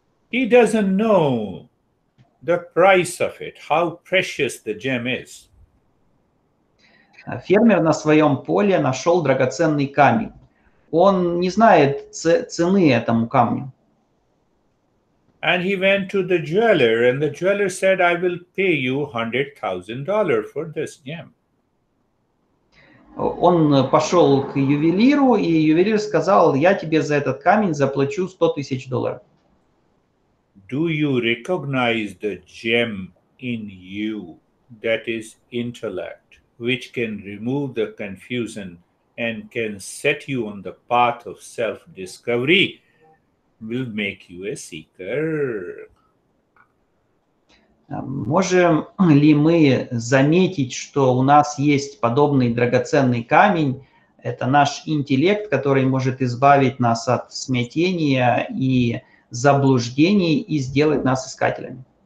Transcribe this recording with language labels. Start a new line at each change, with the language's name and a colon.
English: He doesn't know the price of it, how precious the gem is.
Russian: Фермер на своем поле нашел драгоценный камень. Он не знает цены этому камню.
English: And he went to the jeweler, and the jeweler said, I will pay you $100,000 for this gem.
Russian: Он пошел к ювелиру, и ювелир сказал, я тебе за этот камень заплачу $100,000.
English: Do you recognize the gem in you, that is intellect, which can remove the confusion and can set you on the path of self-discovery, will make you a seeker?
Russian: Можем ли мы заметить, что у нас есть подобный драгоценный камень? Это наш интеллект, который может избавить нас от смятения и заблуждений и сделать нас искателями.